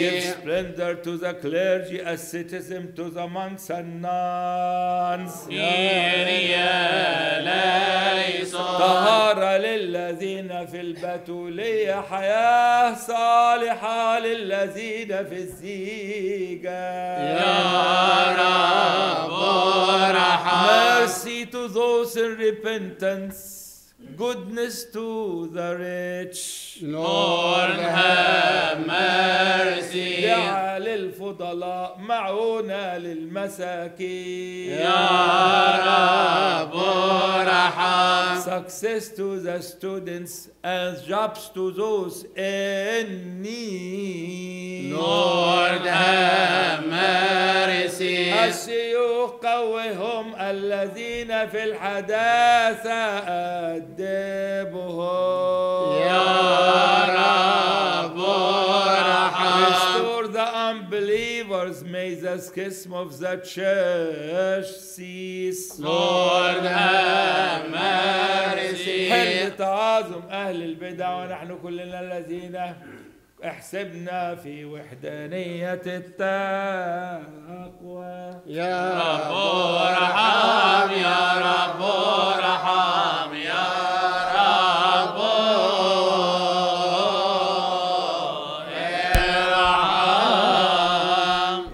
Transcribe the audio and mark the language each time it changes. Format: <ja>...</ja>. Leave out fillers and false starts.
<en>Give splendor to the clergy, asceticism to the monks and nuns.</en> <el>Kyrie eleison.</el> <ar>Tahara للذين في البتولية حياة صالحة للذين في الزيجة. يا رب ارحم.</ar> <en>Mercy to those in repentance, goodness to the rich. Lord have mercy.</en> <ar>دعا للفضلاء معونا للمساكين. يا رب ارحم.</ar> <en>Success to the students and jobs to those in need. Lord have mercy.</en> <ar>الشيوخ قوهم الذين في الحداثة أدبهم. يا رب ارحم.</ar> <en>For the unbelievers, may the schism of the church cease. Lord, have mercy.</en> <ar>حل تعاظم أهل البدع ونحن كلنا الذين احسبنا في وحدانية التقوى. يا رب ارحم يا رب ارحم يا رب ارحم.</ar>